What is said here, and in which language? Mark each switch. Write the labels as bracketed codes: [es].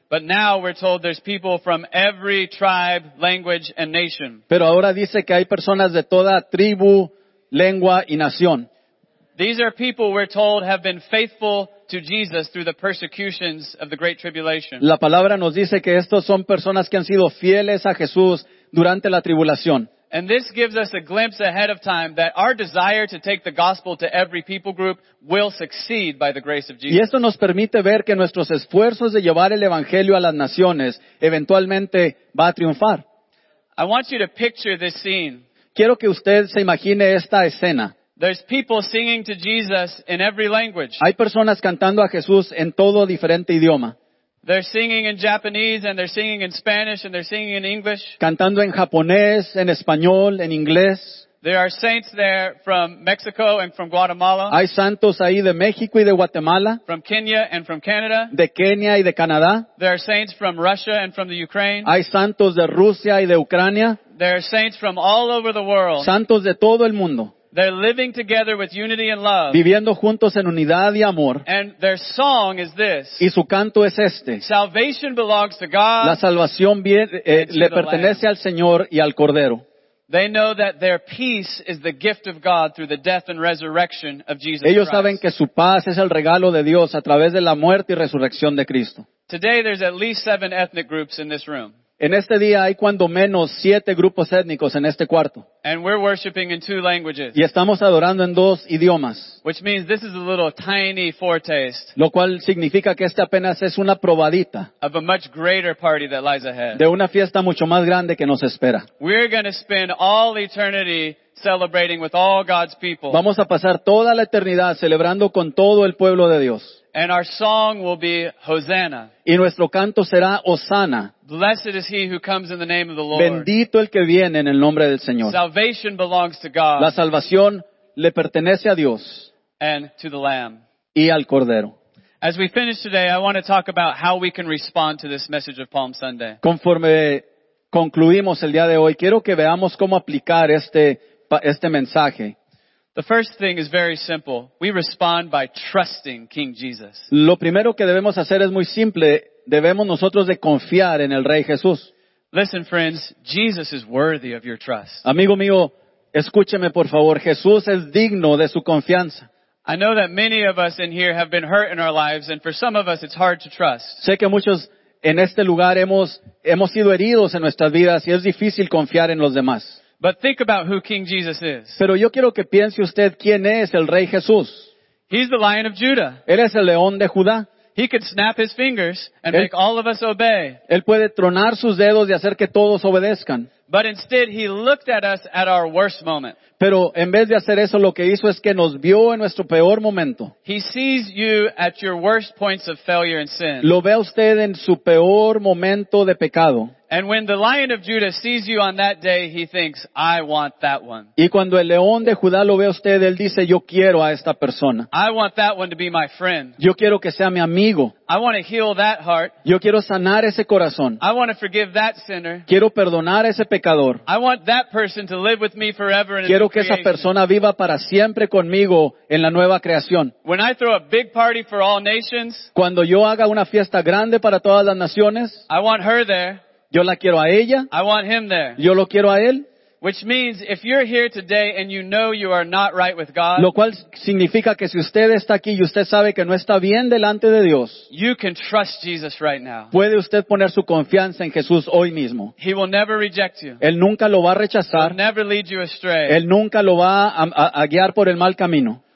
[en] But now we're told there's people from every tribe, language, and nation. [es] Pero ahora dice que hay personas de toda tribu, lengua y nación. [en] These are people we're told have been faithful to Jesus through the persecutions of the Great Tribulation. [es] La palabra nos dice que estos son personas que han sido fieles a Jesús durante la tribulación. [en] And this gives us a glimpse ahead of time that our desire to take the gospel to every people group will succeed by the grace of Jesus. [es] Y esto nos permite ver que nuestros esfuerzos de llevar el evangelio a las naciones eventualmente va a triunfar. [en] I want you to picture this scene. [es] Quiero que usted se imagine esta escena. [en] There's people singing to Jesus in every language. [es] Hay personas cantando a Jesús en todo diferente idioma. [en] They're singing in Japanese and they're singing in Spanish and they're singing in English. [es] Cantando en japonés, en español, en inglés. [en] There are saints there from Mexico and from Guatemala. [es] Hay santos ahí de México y de Guatemala. [en] From Kenya and from Canada. [es] De Kenia y de Canadá. [en] There are saints from Russia and from the Ukraine. [es] Hay santos de Rusia y de Ucrania. [en] There are saints from all over the world. [es] Santos de todo el mundo. [en] They're living together with unity and love. [es] Viviendo juntos en unidad y amor. [en] And their song is this. [es] Y su canto es este. [en] Salvation belongs to God. [es] La salvación le pertenece al Señor y al Cordero. [en] They know that their peace is the gift of God through the death and resurrection of Jesus Christ. [es] Ellos saben que su paz es el regalo de Dios a través de la muerte y resurrección de Cristo. [en] Today there's at least 7 ethnic groups in this room. [es] En este día hay cuando menos 7 grupos étnicos en este cuarto. [en] And we're worshiping in 2 languages. [es] Y estamos adorando en 2 idiomas. [en] Which means this is a little tiny foretaste. [es] Lo cual significa que este apenas es una probadita. [en] Of a much greater party that lies ahead. [es] De una fiesta mucho más grande que nos espera. [en] We're going to spend all eternity celebrating with all God's people. [es] Vamos a pasar toda la eternidad celebrando con todo el pueblo de Dios. [en] And our song will be Hosanna. [es] Y nuestro canto será Hosanna. [en] Blessed is he who comes in the name of the Lord. [es] Bendito el que viene en el nombre del Señor. [en] Salvation belongs to God. [es] La salvación le pertenece a Dios. [en] and to the Lamb. [es] Y al Cordero. [en] As we finish today, I want to talk about how we can respond to this message of Palm Sunday. [es] Conforme concluimos el día de hoy, quiero que veamos cómo aplicar este mensaje. [en] The first thing is very simple. We respond by trusting King Jesus. [es] Lo primero que debemos hacer es muy simple. Debemos nosotros de confiar en el Rey Jesús. [en] Listen, friends, Jesus is worthy of your trust. [es] Amigo mío, escúcheme por favor. Jesús es digno de su confianza. [en] I know that many of us in here have been hurt in our lives, and for some of us, it's hard to trust. [es] Sé que muchos en este lugar hemos sido heridos en nuestras vidas, y es difícil confiar en los demás. [en] But think about who King Jesus is. [es] Pero yo quiero que piense usted quién es el Rey Jesús. [en] He's the Lion of Judah. [es] Él es el León de Judá. [en] He could snap his fingers and make all of us obey. [es] Él puede tronar sus dedos y hacer que todos obedezcan. [en] But instead, he looked at us at our worst moment. [es] Pero en vez de hacer eso, lo que hizo es que nos vio en nuestro peor momento. [en] He sees you at your worst points of failure and sin. [es] Lo ve usted en su peor momento de pecado. [en] And when the Lion of Judah sees you on that day, he thinks, I want that one. [es] Y cuando el León de Judá lo ve usted, él dice, yo quiero a esta persona. [en] I want that one to be my friend. [es] Yo quiero que sea mi amigo. [en] I want to heal that heart. [es] Yo quiero sanar ese corazón. [en] I want to forgive that sinner. [es] Quiero perdonar a ese pecador. [en] I want that person to live with me forever in a new creation. [es] Quiero que esa persona viva para siempre conmigo en la nueva creación. [en] When I throw a big party for all nations, [es] cuando yo haga una fiesta grande para todas las naciones, [en] I want her there. [es] Yo la quiero a ella. [en] I want him there. [es] Yo lo quiero a él. [en] Which means if you're here today and you know you are not right with God, [es] lo cual significa que si usted está aquí y usted sabe que no está bien delante de Dios, [en] you can trust Jesus right now. [es] Puede usted poner su confianza en Jesús hoy mismo. [en] He will never reject you. [es] Él nunca lo va a rechazar. [en] He'll never lead you astray. [es] Él nunca lo va a guiar por el mal camino.